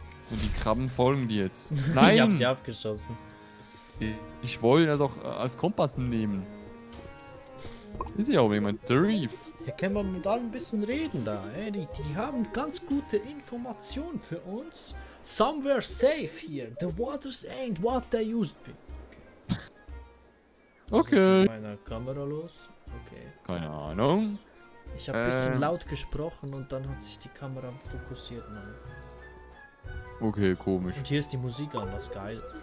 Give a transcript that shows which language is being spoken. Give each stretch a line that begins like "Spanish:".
German: Und die Krabben folgen dir jetzt. Nein! Ich hab sie abgeschossen. Ich wollte das auch als Kompass nehmen. Ist ja auch jemand. The Reef. Hier können wir mit allen ein bisschen reden da. Ey, die haben ganz gute Informationen für uns.
English: Somewhere safe here. The waters ain't what they used to be. Okay.
German: Was ist mit meiner Kamera los? Okay. Keine Ahnung. Ich habe ein bisschen laut gesprochen und dann hat sich die Kamera fokussiert. Mal. Okay, komisch. Und hier ist die Musik an, das ist geil.